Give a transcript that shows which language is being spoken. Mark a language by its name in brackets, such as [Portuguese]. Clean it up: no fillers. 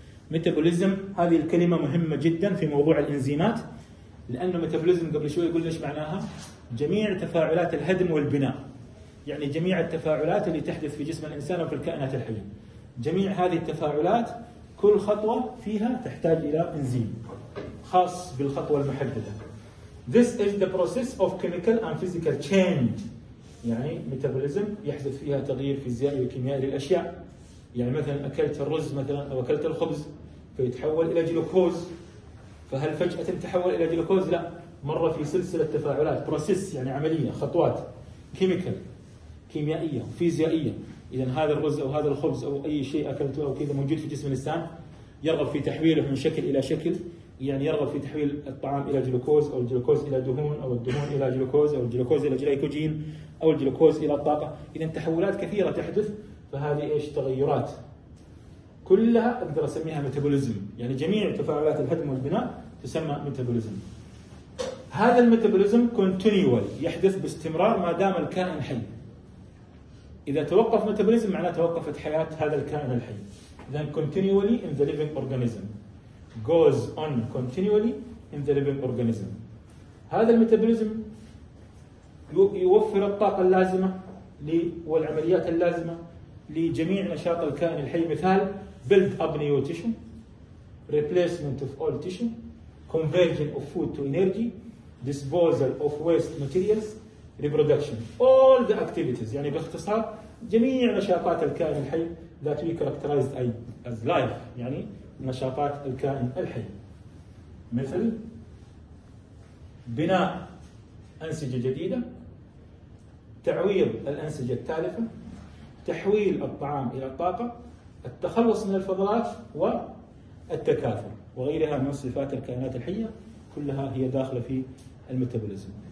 [Arabic] ميتابوليزم، هذه الكلمة مهمة جدا في موضوع الانزيمات، لانه ميتابوليزم قبل شوية قلنا ايش معناها؟ جميع تفاعلات الهدم والبناء، يعني جميع التفاعلات اللي تحدث في جسم الانسان وفي الكائنات الحية، جميع هذه التفاعلات كل خطوة فيها تحتاج الى انزيم خاص بالخطوة المحددة. [English] This is the process of chemical and physical change. [Arabic] يعني ميتابوليزم يحدث فيها تغيير فيزيائي وكيميائي للأشياء. يعني مثلا أكلت الرز مثلا أو أكلت الخبز فيتحول إلى جلوكوز. فهل فجأة تحول إلى جلوكوز؟ لا، مر في سلسلة تفاعلات. process يعني عملية، خطوات chemical كيميائية فيزيائية. إذا هذا الرز أو هذا الخبز أو أي شيء أكلته أو كذا موجود في جسم الإنسان يرغب في تحويله من شكل إلى شكل، يعني يرغب في تحويل الطعام إلى جلوكوز أو الجلوكوز إلى دهون أو الدهون إلى جلوكوز أو الجلوكوز إلى جليكوجين أو الجلوكوز إلى الطاقة. إذا تحولات كثيرة تحدث، فهذه إيش؟ تغيرات. كلها أقدر أسميها ميتابوليزم، يعني جميع تفاعلات الهدم والبناء تسمى ميتابوليزم. هذا الميتابوليزم كونتينيوال، يحدث باستمرار ما دام الكائن حي. إذا توقف ميتابوليزم معناه توقفت حياة هذا الكائن الحي. [English] إذا continually in the living organism goes on continually in the living organism. [Arabic] هذا الميتابوليزم يوفر الطاقة اللازمة والعمليات اللازمة لجميع نشاط الكائن الحي. [English] مثال: build up new tissue, replacement of old tissue, conversion of food to energy, disposal of waste materials, reproduction. All the activities. [Arabic] يعني باختصار جميع نشاطات الكائن الحي [English] that we characterized as life. [Arabic] يعني نشاطات الكائن الحي مثل بناء أنسجة جديدة، تعويض الأنسجة التالفة، تحويل الطعام إلى الطاقة، التخلص من الفضلات والتكاثر وغيرها من صفات الكائنات الحية، كلها هي داخلة في الميتابوليزم.